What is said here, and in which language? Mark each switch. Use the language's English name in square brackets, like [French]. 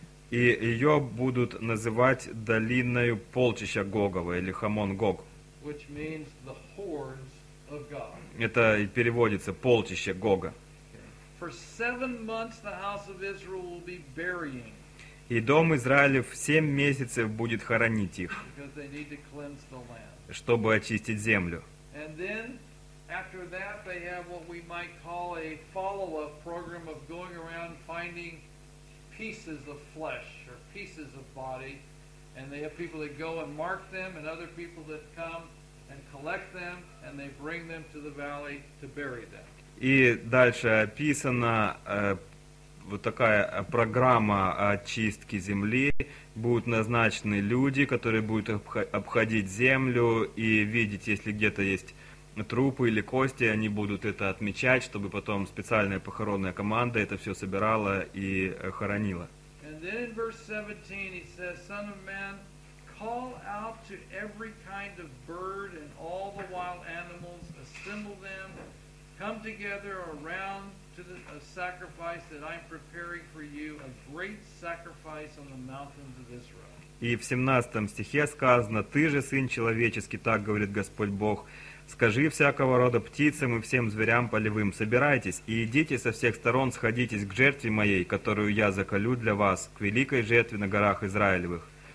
[Russian] И ее будут называть долиной полчища Гогова, или Хамон Гог. [English] Which means the hordes of God. [Russian] Это и переводится полчище Гога. [English] For 7 months the house of Israel will be burying. [Russian] И дом Израилев 7 месяцев будет хоронить их, [English] because they need to cleanse the land. [Russian] Чтобы очистить землю. [English] And then, after that, they have what we might call a follow-up program of going around finding pieces of flesh or pieces of body. And they have people that go and mark them, and other people that come and collect them, and they bring them to the valley to bury them. [Russian] И дальше описана вот такая программа очистки земли. Будут назначены люди, которые будут обходить землю и видеть, если где-то есть трупы или кости, они будут это отмечать, чтобы потом специальная похоронная команда это все собирала и хоронила. [English] And then in verse 17 he says, "Son of man, call out to every kind of bird and all the wild animals, assemble them, come together around to a sacrifice that I'm preparing for you, a great sacrifice on the mountains of Israel." [Russian] И в 17 стихе сказано: "Ты же, сын человеческий, так говорит Господь Бог, скажи всякого рода птицам и всем зверям полевым, собирайтесь и идите со всех сторон, сходитесь к жертве моей, которую я заколю для вас, к великой жертве на горах Израилевых.